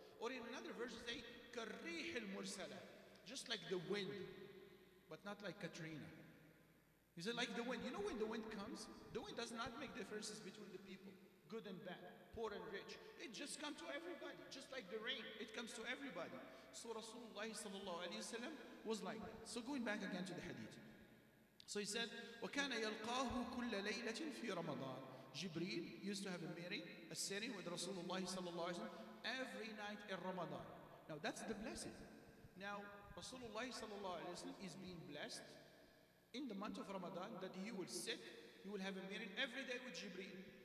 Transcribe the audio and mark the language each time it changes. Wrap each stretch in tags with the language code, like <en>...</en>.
<en>Or in another verse, say, Karrih al-Mursala. Just like the wind, but not like Katrina. He said, like the wind. You know when the wind comes? The wind does not make differences between the people, good and bad, poor and rich. It just comes to everybody, just like the rain. It comes to everybody. So Rasulullah sallallahu alayhi wa sallam was like that. So going back again to the hadith. So he said,</en> <ar>وَكَانَ يَلْقَاهُ كُلَّ لَيْلَةٍ فِي رَمَضَانِ.</ar> <en>Jibreel used to have a meeting, a sitting with Rasulullah sallallahu alayhi wa sallam every night in Ramadan. Now that's the blessing. Now Rasulullah sallallahu alayhi wa sallam is being blessed in the month of Ramadan, that he will sit, he will have a meeting every day with Jibreel.</en>